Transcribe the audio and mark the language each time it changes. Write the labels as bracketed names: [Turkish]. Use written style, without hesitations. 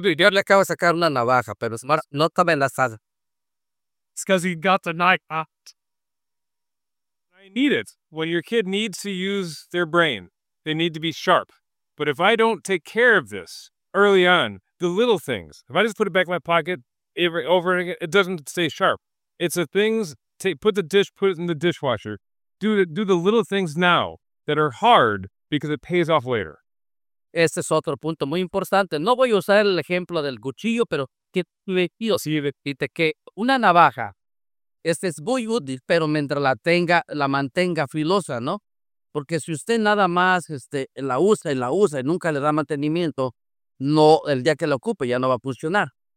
[Spanish] le acabo de sacar una navaja, pero no está amenazada. [English] It's because he got the knife out. I need it. When your kid needs to use their brain, they need to be sharp. But if I don't take care of this early on, the little things, if I just put it back in my pocket over and again, it doesn't stay sharp. It's the things, put it in the dishwasher. Do the little things now that are hard because it pays off later. [Spanish] Este es otro punto muy importante. No voy a usar el ejemplo del cuchillo, pero que le pido que una navaja es muy útil, pero mientras la mantenga filosa, ¿no? Porque si usted nada más la usa y nunca le da mantenimiento, no, el día que la ocupe ya no va a funcionar.